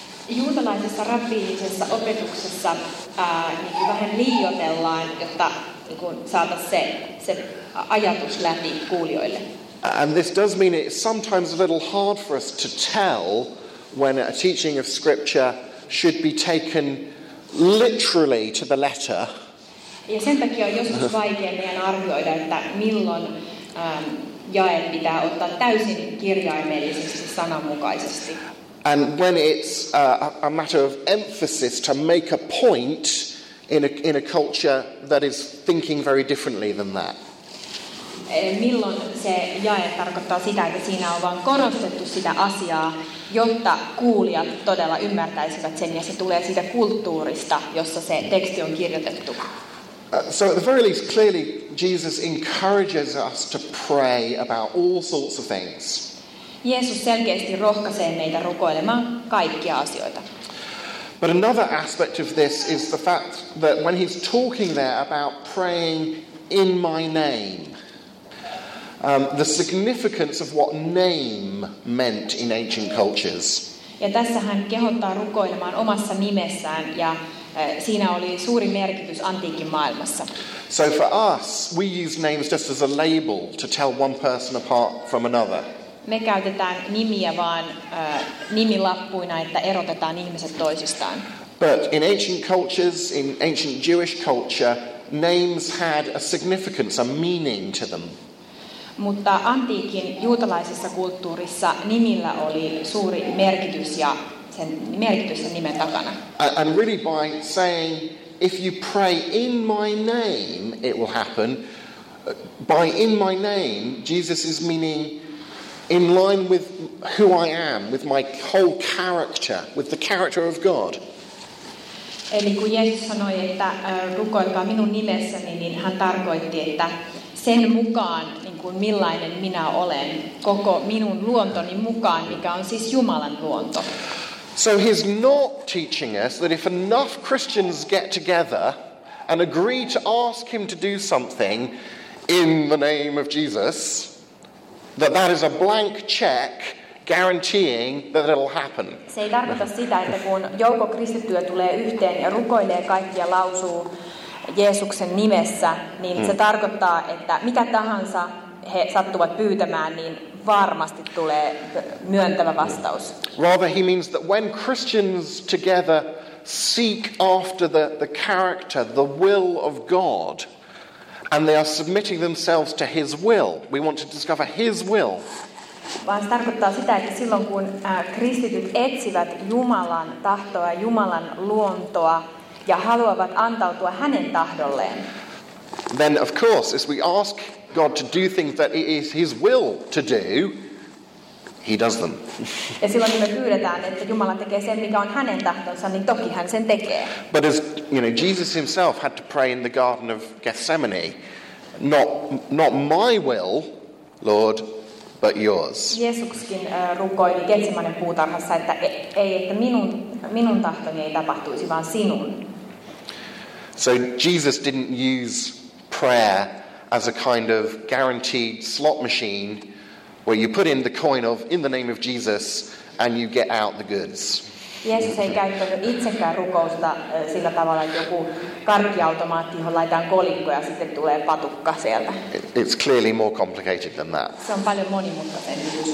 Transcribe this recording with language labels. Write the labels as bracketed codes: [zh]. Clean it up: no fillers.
[fi] Juutalaisessa rabbiinisessa opetuksessa vähän liioitellaan, jotta saada se ajatus läpi kuulijoille. [en] And this does mean it's sometimes a little hard for us to tell when a teaching of scripture should be taken literally to the letter. [fi] Ja sen takia on joskus vaikea meidän arvioida, että milloin jae pitää ottaa täysin kirjaimellisesti sananmukaisesti. [en] And when it's a matter of emphasis to make a point in a culture that is thinking very differently than that. [fi] Milloin se jae tarkoittaa sitä, että siinä on vaan korostettu sitä asiaa, jotta kuulijat todella ymmärtäisivät sen, ja se tulee siitä kulttuurista, jossa se teksti on kirjoitettu. [en] So at the very least, clearly Jesus encourages us to pray about all sorts of things. [fi] Jeesus selkeästi rohkaisee meitä rukoilemaan kaikkia asioita. [en] But another aspect of this is the fact that when he's talking there about praying in my name, the significance of what name meant in ancient cultures. [fi] Ja tässä hän kehottaa rukoilemaan omassa nimessään, ja siinä oli suuri merkitys antiikin maailmassa. [en] So for us, we use names just as a label to tell one person apart from another. [fi] Me käytetään nimiä vaan nimilappuina, että erotetaan ihmiset toisistaan. [en] But in ancient cultures, in ancient Jewish culture, names had a significance, a meaning to them. [fi] Mutta antiikin juutalaisessa kulttuurissa nimillä oli suuri merkitys, ja sen merkitys sen nimen takana. [en] And really by saying, if you pray in my name, it will happen. By in my name, Jesus is meaning in line with who I am, with my whole character, with the character of God. [fi] Eli kun Jeesus sanoi, että rukoilkaa minun nimessäni, niin hän tarkoitti, että sen mukaan, niin kuin millainen minä olen, koko minun luontoni mukaan, mikä on siis Jumalan luonto. [en] So he's not teaching us that if enough Christians get together and agree to ask him to do something in the name of Jesus, that is a blank check guaranteeing that it'll happen. [fi] Se ei tarkoita sitä, että kun joukko kristittyä tulee yhteen ja rukoilee kaikki ja lausuu Jeesuksen nimessä, niin se tarkoittaa, että mitä tahansa he sattuvat pyytämään, niin varmasti tulee myöntävä vastaus. [en] Rather, he means that when Christians together seek after the character, the will of God, and they are submitting themselves to his will, we want to discover his will. [fi] Vaan se tarkoittaa sitä, että silloin kun kristityt etsivät Jumalan tahtoa, Jumalan luontoa, ja haluavat antautua hänen tahdolleen. [en] Then of course, as we ask God to do things that it is his will to do, he does them. [fi] Ja silloin me pyydetään, että Jumala tekee sen, mikä on hänen tahtonsa, niin toki hän sen tekee. [en] But as you know, Jesus himself had to pray in the Garden of Gethsemane, not my will, Lord, but yours. [fi] Jeesuskin rukoili Getsemanen puutarhassa, että ei, että minun tahtoni ei tapahtuisi, vaan sinun. [en] So Jesus didn't use prayer as a kind of guaranteed slot machine where you put in the coin of in the name of Jesus and you get out the goods. [fi] Jeesus ei käyttänyt itsekään rukousta sillä tavalla, että joku karkkiautomaatti, johon laitetaan kolikko ja sitten tulee patukka sieltä. [en] It's clearly more complicated than that. [fi] Se on paljon monimutkaisempi.